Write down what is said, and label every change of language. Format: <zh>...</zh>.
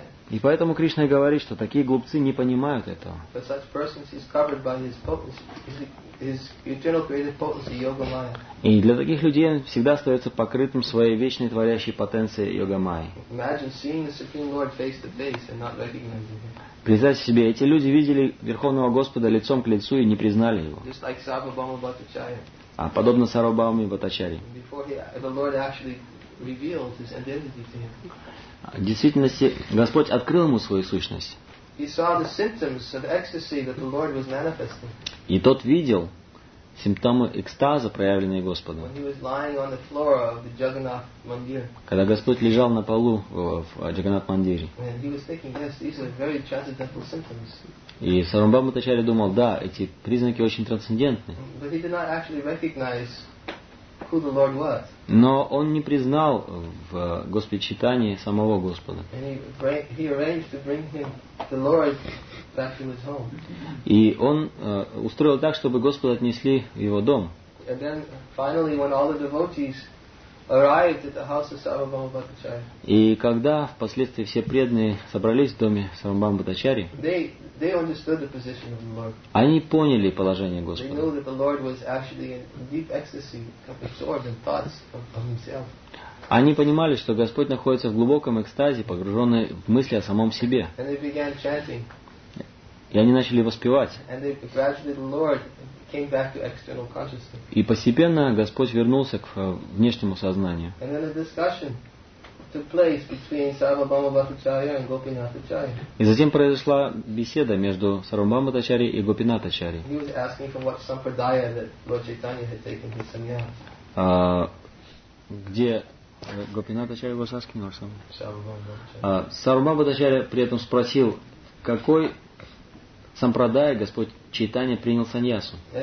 <ru>И поэтому Кришна и говорит, что такие глупцы не понимают этого.</ru> <en>But such persons is covered by his potency, his eternal creative potency, Yoga Maya.</en> <ru>И для таких людей он всегда остается покрытым своей вечной творящей потенцией Йога Май.</ru> <en>Imagine seeing the Supreme Lord face to face and not recognizing him.</en> <ru>Представьте себе, эти люди видели Верховного Господа лицом к лицу и не признали его.</ru> <en>Just like Сарвабхаума Бхаттачарья.</en> <ru>А подобно Сарвабхауме Бхаттачарье.</ru> <en>Before the Lord actually revealed his identity to him.</en> <ru>В действительности, Господь открыл ему свою сущность.</ru> <en>He saw the symptoms of ecstasy that the Lord was manifesting.</en> <ru>И тот видел симптомы экстаза, проявленные Господом.</ru> <en>When he was lying on the floor of the Jagannath Mandir.</en> <ru>Когда Господь лежал на полу в Джаганнат Мандире.</ru> <en>And he was thinking, yes, these are very transcendental symptoms.</en> <ru>И Сарумбам Матачари думал, да, эти признаки очень трансцендентны.</ru> <en>But he did not actually recognize who the Lord was.</en> <ru>Но он не признал в Господе Читании самого Господа.</ru> <en>And he arranged to bring him the Lord back to his home.</en> <ru>И он устроил так, чтобы Господа отнесли в его дом.</ru> <en>And then finally, when all the devotees arrived at the house of Sarvabhauma Bhattacharya.</en> <ru>И когда впоследствии все преданные собрались в доме Сарвабхаумы Бхаттачари,</ru> <en>they understood the position of the Lord.</en> <ru>Они поняли положение Господа.</ru> <en>They knew that the Lord was actually in deep ecstasy, absorbed in thoughts of himself.</en> <ru>Они понимали, что Господь находится в глубоком экстазе, погруженный в мысли о самом себе.</ru> <en>And they began chanting.</en> <ru>И они начали воспевать.</ru> <en>And they gradually the Lord came back to external consciousness.</en> <ru>И постепенно Господь вернулся к внешнему сознанию.</ru> <en>And then a discussion took place between Sarvabhauma Bhattacharya and Gopinath Acharya.</en> <ru>И затем произошла беседа между Сарвабхаумой Бхаттачари и Гопинат Ачари.</ru> <en>He was asking for what sampradaya that Lord Chaitanya had taken his sannyas.</en> <ru>Где</ru> <en>Гопинат Ачари was asking or something? Sarvabhauma Bhattacharya.</en> <ru>Сарвабхаума Бхаттачари при этом спросил, какой сампрадая Господь Чайтанья принял саньясу.</ru>